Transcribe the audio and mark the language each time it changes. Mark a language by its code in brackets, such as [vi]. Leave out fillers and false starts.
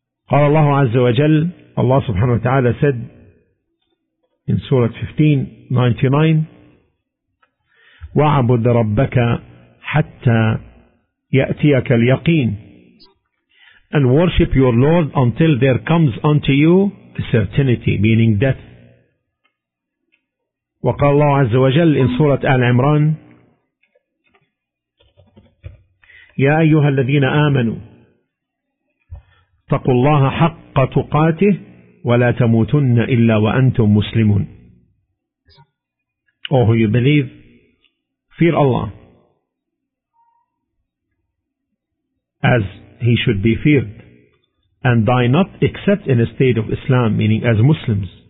[ar] قال الله عز وجل, [en] Allah subhanahu wa ta'ala said in Surah 15:99, [ar] وَعَبُدْ رَبَّكَ حَتَّى يَأْتِيَكَ الْيَقِينَ, [en] and worship your Lord until there comes unto you the certainty, meaning death. [ar] وقال الله عز وجل [en] in Surah Al Imran, [ar] يا أيها الذين آمنوا اتقوا الله حق تقاته ولا تموتن إلا وأنتم مسلمون. [en] Oh, who you believe, fear Allah as he should be feared, and die not except in a state of Islam, meaning as Muslims.